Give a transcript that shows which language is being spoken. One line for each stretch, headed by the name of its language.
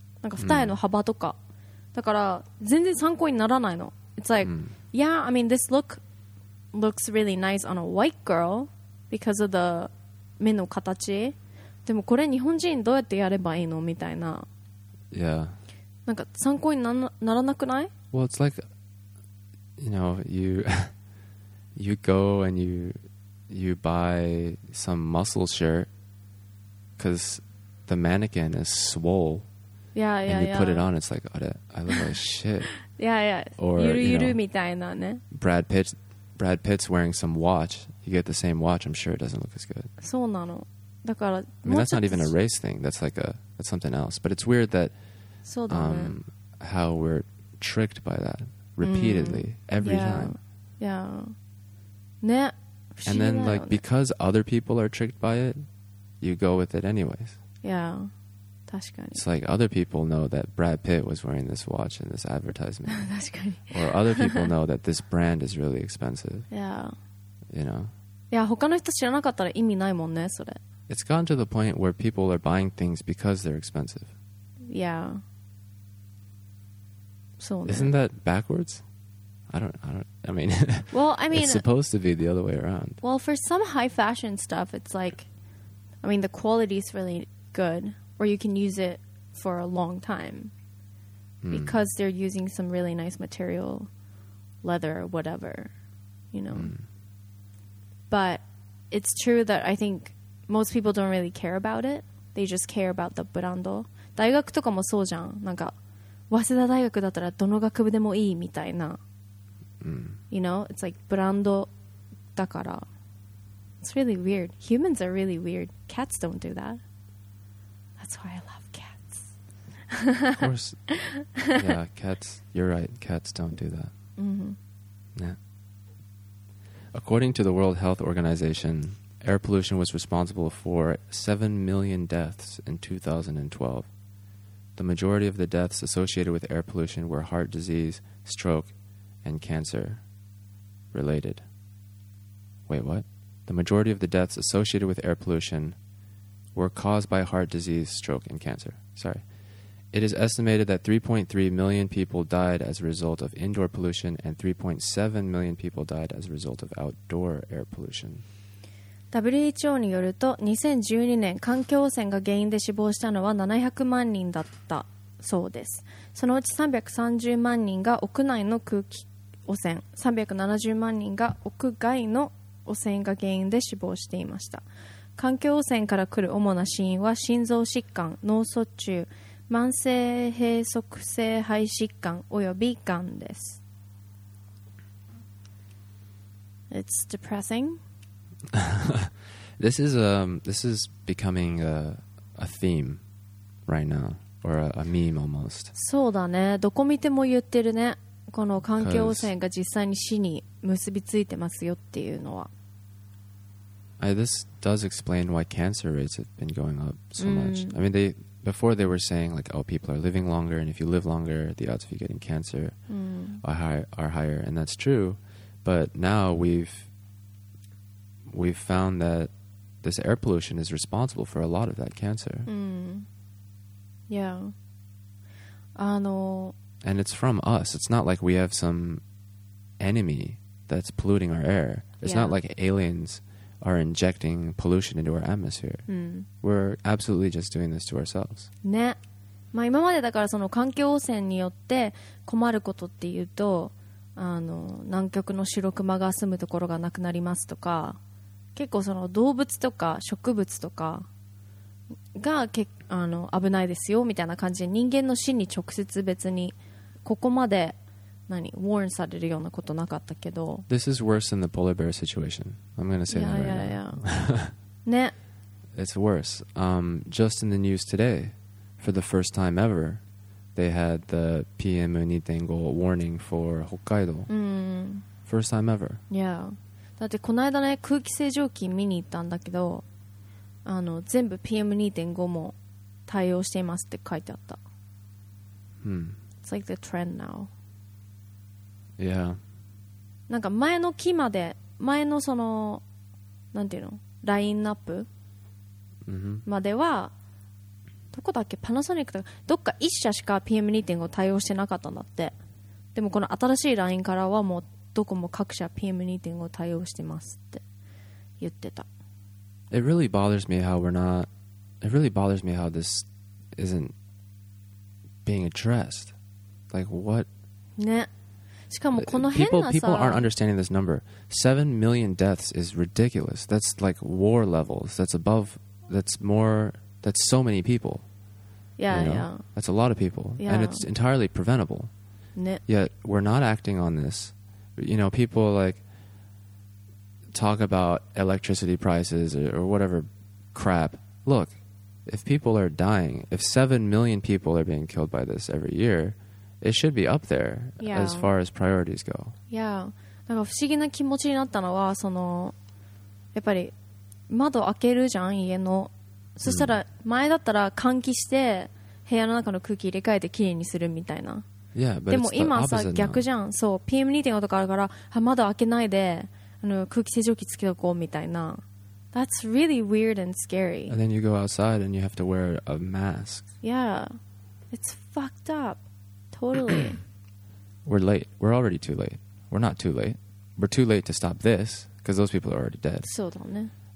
Japanese: なんか二重の幅とか、だから全然参考にならないの。
English: It's like,yeah, I mean this look. Looks really nice on a white girl because of the
Japanese: 目の形。でもこれ日本人どうやってやればいいのみたいな。
English: Yeah.
Japanese: なんか参考にならなくない？
English: Well, it's like, you know, you you go and you you buy some muscle shirt because the mannequin is swole. Yeah, yeah, and you yeah. put it on, it's like, I look like shit. Yeah, yeah. Or
Japanese: ゆるゆるみたいなね。
English: Brad Pitt's wearing some watch. You get the same watch, I'm sure it doesn't look as good.
Japanese: そうなの。だから、
English: I mean, that's not even a race thing. That's like that's something else. But it's weird that
Japanese: そうだね。
English: How we're tricked by that repeatedly, every time. Yeah. ね。 And then, like, because other people are tricked by it, you go with it anyways.
Japanese: Yeah. 確かに。
English: It's like other people know that Brad Pitt was wearing this watch in this advertisement.
Japanese: 確かに。
English: Or other people know that this brand is really expensive. Yeah. You know?
Japanese: いや、他の人知らなかったら意味ないもんね、それ。
English: It's gotten to the point where people are buying things because they're expensive. Yeah.
Japanese: そうね。
English: Isn't that backwards? I don't, I mean, well, I mean, it's supposed to be the other way around. Well, for some high fashion stuff, it's like, I mean, the quality is really good. Or you can use it for a long time because they're using some really nice material, leather or whatever, you know. But it's true that I think most people don't really care about it. They just care about the brand.
Japanese: 大学とかもそうじゃん。なんか早稲田大学だったらどの学部でもいいみたいな。
English: You know, it's like
Japanese: ブランドだから。
English: It's really weird. Humans are really weird. Cats don't do that. That's why I love cats. Of course. Yeah, cats. You're right. Cats don't do that. Mm-hmm. Yeah. According to the World Health Organization, air pollution was responsible for 7 million deaths in 2012. The majority of the deaths associated with air pollution were heart disease, stroke, and cancer related. Wait, what? The majority of the deaths associated with air pollution... were caused by heart disease, stroke, and cancer. Sorry. It is estimated that 3.3 million people died as a result of indoor pollution and 3.7 million people died as a result of outdoor air pollution.
Japanese: WHO によると2012年環境汚染が原因で死亡したのは700万人だったそうです。そのうち330万人が屋内の空気汚染、370万人が屋外の汚染が原因で死亡していました。環境汚染から来る主な死因は心臓疾患、脳卒中、慢性閉塞性肺疾患及び癌です。
English: It's depressing. this is becoming a theme right now. or a meme almost.
Japanese: そうだね。どこ見ても言ってるね。この環境汚染が実際に死に結びついてますよっていうのは。
English: This does explain why cancer rates have been going up so much. I mean, before they were saying like, oh, people are living longer, and if you live longer, the odds of you getting cancer are higher, and that's true. But now we've found that this air pollution is responsible for a lot of that cancer. Yeah. And it's from us. It's not like we have some enemy that's polluting our air. It's not like aliens are injecting pollution into our atmosphere. We're absolutely just doing this to ourselves.
Japanese: ね。まあ今までだからその環境汚染によって困ることっていうと、南極の白熊が住むところがなくなりますとか、結構その動物とか植物とかが危ないですよみたいな感じで人間の死に直接別にここまで何ウォーンされるようなことなかったけど
English: This is worse than the polar bear situation. I'm going to say that right now.
Japanese: ね。
English: It's worse. Just in the news today, for the first time ever, they had the PM2.5 warning for Hokkaido. First time ever. Yeah.
Japanese: だってこの間ね空気清浄機見に行ったんだけど全部 PM2.5 も対応していますって書いてあった。
English: It's like the trend now. Yeah.
Japanese: なんか前の木まで、前のその、なんていうの、ラインナップ、までは、どこだっけ、パナソニックとか、どっか一社しか PM2.5 対応してなかったんだって。でもこの新しいラインからはもうどこも各社 PM2.5 対応してますって言ってた。
English: It really bothers me how we're not. It really bothers me how this isn't being addressed. Like what?
Japanese: ね。しかもこの変なさ。
English: People aren't understanding this number. 7 million deaths is ridiculous. That's like war levels. That's above. That's more. That's so many people. Yeah, you know? Yeah. That's a lot of people, yeah. And it's entirely preventable.
Japanese: ね。
English: Yet we're not acting on this. You know, people like. Talk about electricity prices or whatever crap. Look, if people are dying, if 7 million people are being killed by this every year, it should be up there as far as priorities go. Yeah.
Japanese: なんか不思議な気持ちになったのは、その、やっぱり窓開けるじゃん、家の。そしたら、前だったら換気して、部屋の中の空気入れ替えてきれいにするみたいな。
English: Yeah, but
Japanese: でも今さ、逆じゃん。そう、PM2.5 とかあるから、窓開けないで。空気清浄機つけとこうみたいな。
English: That's really weird and scary. And then you go outside and you have to wear a mask. Yeah. It's fucked up. Totally. We're late. We're already too late. We're not too late. We're too late to stop this because those people are already dead.
Japanese: そうだね。